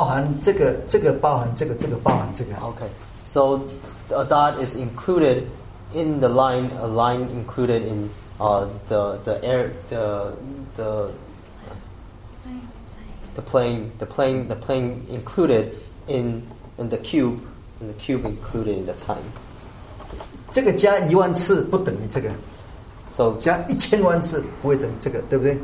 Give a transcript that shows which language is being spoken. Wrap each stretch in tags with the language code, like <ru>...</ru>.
<zh>线没有办法认识平面，这个包含这个，这个包含这个，这个包含这个。</zh> <en>Okay, so a dot is included in the line. A line included in the plane included in the cube, and the cube included in the time.</en> <zh>这个加10,000次不等于这个。</zh> <en>So</en> <zh>加1,000,000次不会等于这个，对不对？</zh>